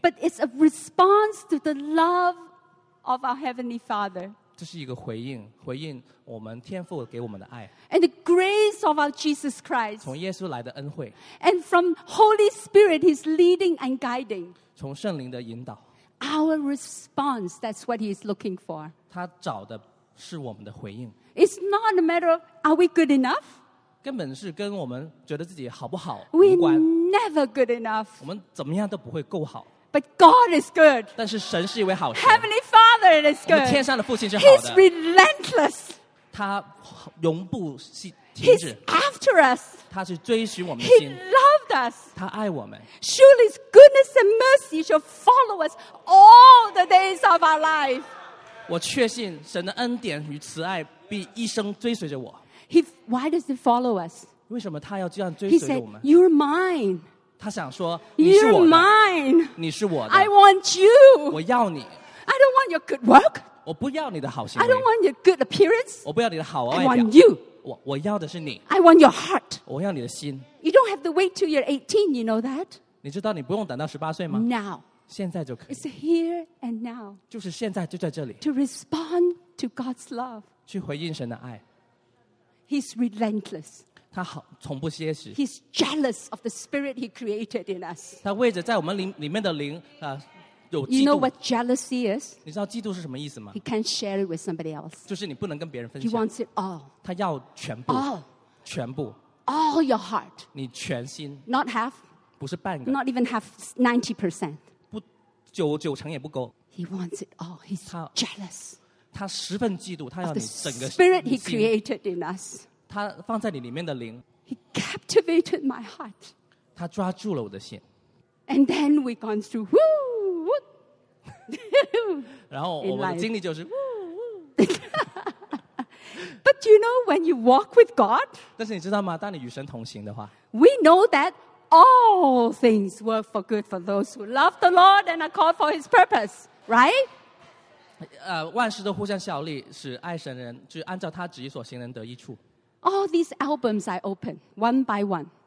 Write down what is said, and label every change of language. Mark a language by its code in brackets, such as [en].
[en] But it's a response to the love of our heavenly Father. [zh] 这是一个回应，回应我们天父给我们的爱。 [en] And the grace of our Jesus Christ. [zh] 从耶稣来的恩惠。 [en] And from Holy Spirit, His leading and guiding. [zh] 从圣灵的引导。 [en] Our response, that's what He is looking for. [zh] 他找的是我们的回应。 [en] It's not a matter of, are we good enough? [zh] 根本是跟我们觉得自己好不好无关。 [en] We're never good enough. [zh] 我们怎么样都不会够好。 [en] But God is good. [zh] 但是神是一位好神。 [en] Heavenly Father is good. [zh] 我们天上的父亲是好的。 [en] He's relentless. [zh] 他永不停止。 [en] He's after us. [zh] 他是追寻我们的心。 [en] He loved us. [zh] 他爱我们。 [en] Surely His goodness and mercy shall follow us all the days of our life. [zh] 我确信神的恩典与慈爱必一生追随着我。 [en] Why does He follow us? [zh] 为什么他要这样追随着我们？ [en] He said, "You're mine." [zh] 他想说 [en] You're mine. [zh] 你是我的。 [en] I want you. [zh] 我要你。 [en] I don't want your good work. [zh] 我不要你的好行为。 [en] I don't want your good appearance. [zh] 我不要你的好外表。 [en] I want you. [zh] 我要的是你。 [en] I want your heart. [zh] 我要你的心。 [en] You don't have to wait till you're 18, you know that? [zh] 你知道你不用等到18岁吗? [en] Now. [zh] 现在就可以。 [en] It's here and now. [zh] 就是现在就在这里。 [en] To respond to God's love. [zh] 去回应神的爱。 [en] He's relentless. [zh] 他好从不歇息。 [en] He's jealous of the spirit he created in us. [zh] 他为着在我们里面的灵啊，有嫉妒。 [en] You know what jealousy is? [zh] 你知道嫉妒是什么意思吗 [en] ？He can't share it with somebody else. [zh] 就是你不能跟别人分享。 [en] He wants it all. [zh] 他要全部。 [en] All. [zh] 全部。 [en] All your heart. [zh] 你全心。 [en] Not half. [zh] 不是半个。 [en] Not even half 90%. [zh] 不，九成也不够。 [en] He wants it all. He's jealous. [zh] 他十分嫉妒，他要你整个心。 [en] The spirit he created in us. [zh] 他放在你里面的灵 [en] He captivated my heart. [zh] 他抓住了我的心 [en] And then we gone through woo, woo, [zh] 然后我们的经历就是 [en] But you know when you walk with God [zh] 但是你知道吗当你与神同行的话 [en] We know that all things work for good for those who love the Lord and are called for His purpose, right? [zh] 万事都互相效力使爱神人就是按照他旨意所行人得益处 [en] All these albums I open, one by one.